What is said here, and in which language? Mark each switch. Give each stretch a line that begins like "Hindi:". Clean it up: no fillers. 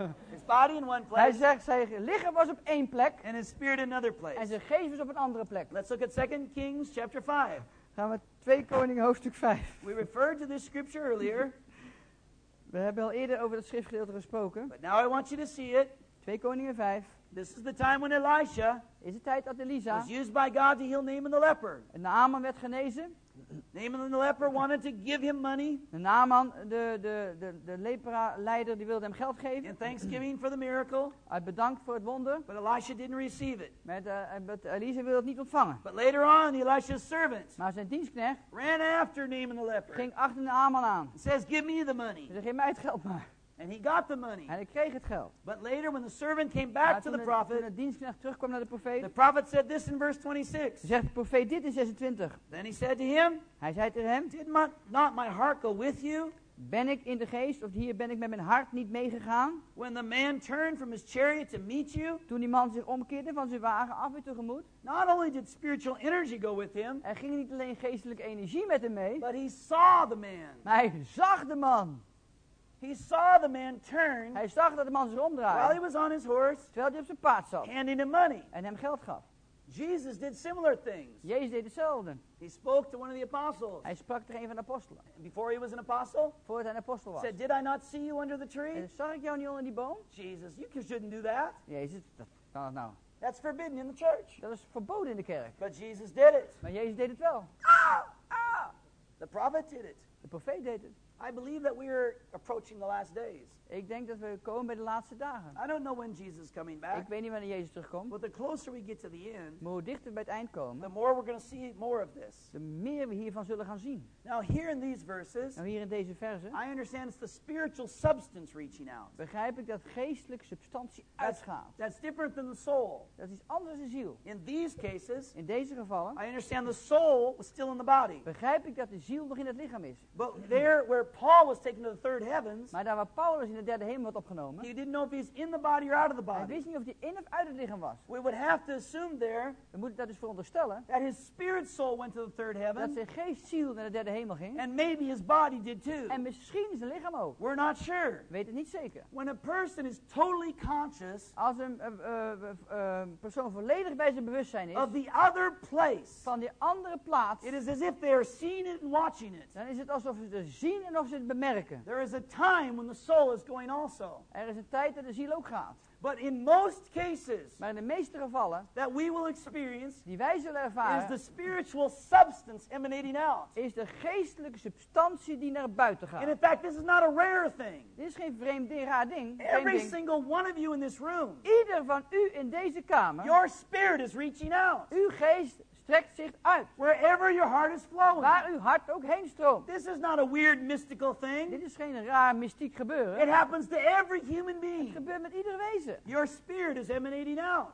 English: His body in one place.
Dutch: Hij zegt, zijn lichaam was op één plek.
English: And his spirit another place.
Dutch: En zijn geest was op een andere plek.
English: Let's look at 2 Kings chapter 5.
Dutch: Gaan we 2 Koningen hoofdstuk 5.
English: We referred to this scripture earlier.
Dutch: We hebben al eerder over dat schriftgedeelte gesproken.
English: But now I want you to see it.
Dutch: 2 Koningen 5.
English: This is the time when Elisha
Dutch: is het tijd dat Elisa
English: was used by God to heal Naaman the leper.
Dutch: Naaman werd genezen.
English: Naaman the leper wanted to give him money.
Dutch: Naaman, de lepra leider, die wilde hem geld geven.
English: In thanksgiving for the miracle.
Dutch: Hij bedankt voor het wonder.
English: But Elisha didn't receive it.
Dutch: Maar Elisa wilde het niet ontvangen.
English: But later on, Elisha's servant.
Dutch: Maar zijn dienstknecht
English: ran after Naaman the leper.
Dutch: Ging achter Naaman aan.
English: And says, give me the money.
Dutch: Zeg, geef mij het geld maar.
English: And he got the money.
Dutch: En hij kreeg het geld.
English: But later when the servant came back to the prophet.
Dutch: Toen de dienstknecht terugkwam naar de profeet.
English: The prophet said this in verse 26.
Dutch: Zegt de profeet dit in 26.
English: Then he said to him.
Dutch: Hij zei tegen hem.
English: Did my, not my heart go with you?
Dutch: Ben ik in de geest of hier ben ik met mijn hart niet meegegaan?
English: When the man turned from his chariot to meet you.
Dutch: Toen die man zich omkeerde van zijn wagen af weer tegemoet.
English: Not only did spiritual energy go with him.
Dutch: Er ging niet alleen geestelijke energie met hem mee.
English: But he saw the man.
Dutch: Maar hij zag de man.
English: He saw the man turn.
Dutch: Hij zag dat de man zich omdraaide.
English: While he was on his horse.
Dutch: Terwijl hij op zijn paard zat.
English: Handing him money.
Dutch: En hem geld gaf.
English: Jesus did similar things.
Dutch: Jezus deed hetzelfde.
English: He spoke to one of the apostles.
Dutch: Hij sprak tegen een van de apostelen.
English: Before he was an apostle.
Dutch: Voordat hij een apostel was.
English: Said, did I not see you under the tree?
Dutch: En zag ik jou niet onder die boom?
English: Jesus, you shouldn't do that.
Dutch: Jezus, dat kan het nou.
English: That's forbidden in the church.
Dutch: Dat is verboden in de kerk.
English: But Jesus did it.
Dutch: Maar Jezus deed het wel.
English: The prophet did it.
Dutch: De profeet deed het.
English: I believe that we are approaching the last days.
Dutch: Ik denk dat we komen bij de laatste dagen.
English: I don't know when Jesus is coming back.
Dutch: Ik weet niet wanneer Jezus terugkomt.
English: But the closer we get to the end,
Dutch: maar hoe dichter we bij het eind komen,
English: the more we're going to see more of this.
Dutch: De meer we hiervan zullen gaan zien.
English: Now here in these verses,
Dutch: nou, hier in deze verse,
English: I understand it's the spiritual substance reaching out.
Dutch: Begrijp ik dat geestelijke substantie uitgaat.
English: That's different than the soul.
Dutch: Dat is anders dan ziel.
English: In these cases,
Dutch: in deze gevallen,
English: I understand the soul was still in the body.
Dutch: Begrijp ik dat de ziel nog in het lichaam is.
English: But there where Paul was taken to the third heavens.
Dutch: Maar daar waar Paulus in de derde hemel wordt opgenomen.
English: He didn't know if he's in the body or out of the body.
Dutch: Hij wist niet of hij in of uit het lichaam was.
English: We would have to assume there.
Dutch: We moeten dat dus veronderstellen.
English: That his spirit soul went to the third heaven.
Dutch: Dat zijn geest ziel naar de derde hemel ging.
English: And maybe his body did too.
Dutch: En misschien zijn lichaam ook.
English: We're not sure.
Dutch: We weten het niet zeker.
English: When a person is totally conscious.
Dutch: Als een persoon volledig bij zijn bewustzijn is.
English: Of the other place.
Dutch: Van die andere plaats.
English: It is as if they are seeing it and watching it.
Dutch: Dan is het alsof ze het zien en of ze het bemerken.
English: There is a time when the soul is going also.
Dutch: Er is een tijd dat de ziel ook gaat.
English: But in most cases,
Dutch: maar in de meeste gevallen,
English: that we will experience,
Dutch: die wij zullen ervaren,
English: is the spiritual substance emanating out.
Dutch: Is de geestelijke substantie die naar buiten gaat.
English: And in fact, this is not a rare thing.
Dutch: Dit is geen vreemd ding, raar ding.
English: Every single one of you in this room,
Dutch: ieder van u in deze kamer,
English: your spirit is reaching out.
Dutch: Uw geest strekt zich uit.
English: Wherever your heart is flowing.
Dutch: Waar uw hart ook heen stroomt.
English: This is not a weird mystical thing.
Dutch: Dit is geen raar mystiek gebeuren.
English: It happens to every human being.
Dutch: Het gebeurt met iedere wezen.
English: Your spirit is emanating out.